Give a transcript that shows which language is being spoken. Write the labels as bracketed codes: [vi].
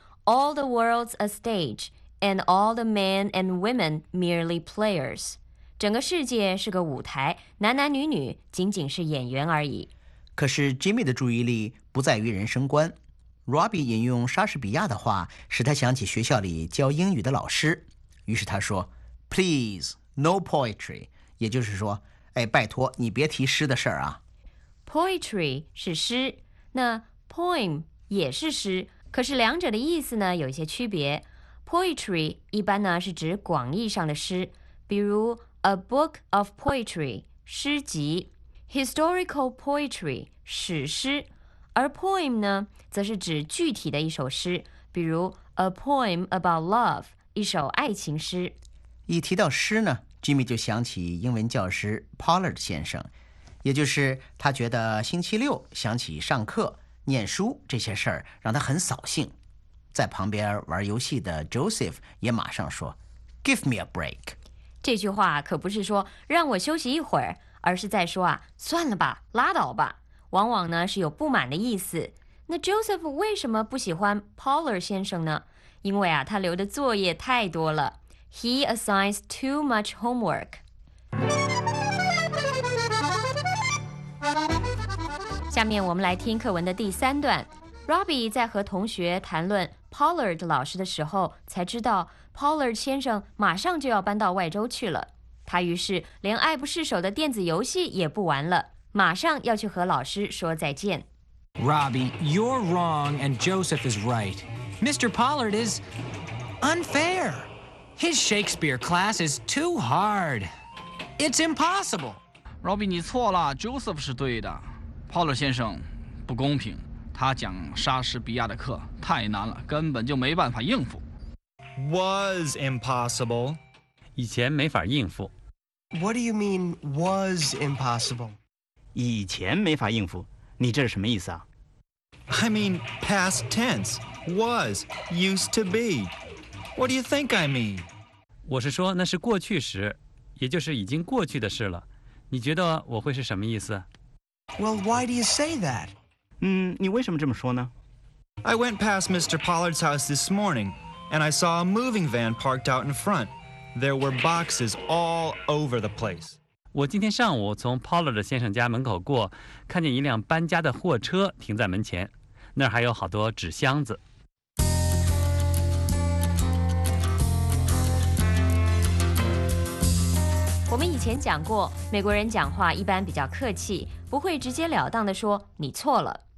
[en] All the world's a stage, and all the men and women merely players. [zh] 整个世界是个舞台，男男女女仅仅是演员而已。可是 Jimmy 的注意力不在于人生观。Robbie 引用莎士比亚的话，使他想起学校里教英语的老师。于是他说 [en] Please, no poetry. [zh] 也就是说，哎，拜托你别提诗的事儿啊。 Poetry 是诗，那 poem 也是诗，可是两者的意思呢有一些区别。 Poetry 一般呢是指广义上的诗，比如 [en] A book of poetry [zh] 诗集， [en] Historical poetry [zh] 史诗。而 poem 呢则是指具体的一首诗，比如 [en] A poem about love， [zh] 一首爱情诗。一提到诗呢， Jimmy 就想起英文教师 Pollard 先生，也就是他觉得星期六想起上课、念书这些事儿让他很扫兴。在旁边玩游戏的 Joseph 也马上说 [en] Give me a break。 [zh] 这句话可不是说让我休息一会儿，而是在说啊，算了吧，拉倒吧，往往呢是有不满的意思。那 Joseph 为什么不喜欢 Pollard 先生呢？因为啊，他留的作业太多了。 [en] He assigns too much homework. [zh] 下面我们来听课文的第三段。Robbie 在和同学谈论 Pollard 老师的时候，才知道 Pollard 先生马上就要搬到外州去了。他于是连爱不释手的电子游戏也不玩了，马上要去和老师说再见。 [en] Robbie, you're wrong and Joseph is right. Mr. Pollard is unfair. His Shakespeare class is too hard. It's impossible. [zh] Robbie, 你错了， Joseph 是对的。Pollard 先生不公平，他讲莎士比亚的课太难了，根本就没办法应付。 [en] Was impossible. [zh] 以前没法应付。 [en] What do you mean, was impossible? [zh] 以前没法应付。你这是什么意思啊？ [en] I mean past tense, was, used to be. What do you think I mean? [zh] 我是说那是过去时，也就是已经过去的事了。你觉得我会是什么意思？ [en] Well, why do you say that? [zh] 你为什么这么说呢？ [en] I went past Mr. Pollard's house this morning, and I saw a moving van parked out in front. There were boxes all over the place. [zh] 我今天上午从 Pollard 先生家门口过，看见一辆搬家的货车停在门前，那儿还有好多纸箱子。我们以前讲过，美国人讲话一般比较客气，不会直截了当地说你错了。